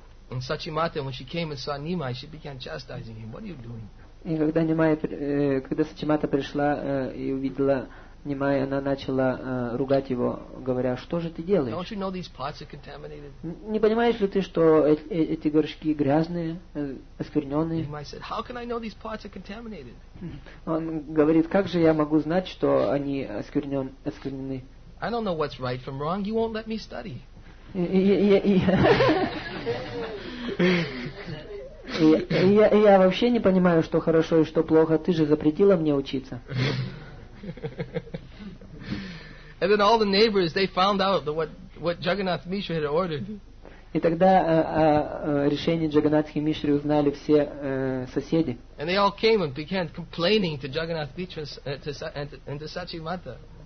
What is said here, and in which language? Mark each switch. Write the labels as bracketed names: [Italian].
[English] And Sachimata, when she came and saw Nimai, she began chastising him. What are you doing? [Russian] И когда Сачимата пришла и увидела Нимай, она начала ругать его, говоря, что же ты делаешь? [English] Don't you know these pots are contaminated? [Russian] Не понимаешь ли ты, что эти горшки грязные, оскверненные? [English] Нимай said, how can I know these pots are contaminated? [Russian] Он говорит, как же я могу знать, что они осквернены? [English] I don't know what's right from wrong. You won't let me study. [Russian] Я вообще не понимаю, что хорошо и что плохо. Ты же запретила мне учиться. [English] And then all the neighbors, they found out what Jagannath Mishra had ordered. [Russian] И тогда решение Джаганатхи Мишри узнали все соседи. [English] And they all came and began complaining to Jagannath Mishra and to Sachi Mata.